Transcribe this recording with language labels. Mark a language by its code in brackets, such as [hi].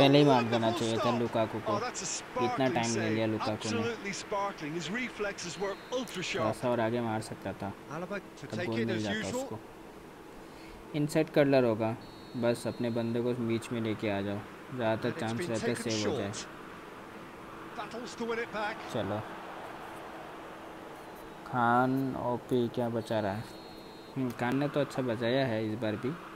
[hi] पहले ही मार देना चाहिए लुकाकु को। इतना टाइम ले लिया लुकाकु ने। [en] Absolutely sparkling. His reflexes were ultra sharp. [hi] ऐसा और आगे मार सकता था। [en] Alaba to take it as usual. [hi] Inside curler होगा। बस अपने बंदे को बीच में लेके आ जाओ। ज्यादातर चांस रहते सेव हो जाए। [en] Battles to win it back. [hi] चलो। खान ओपी क्या बचा रहा है? कान ने तो अच्छा बजाया है इस बार भी।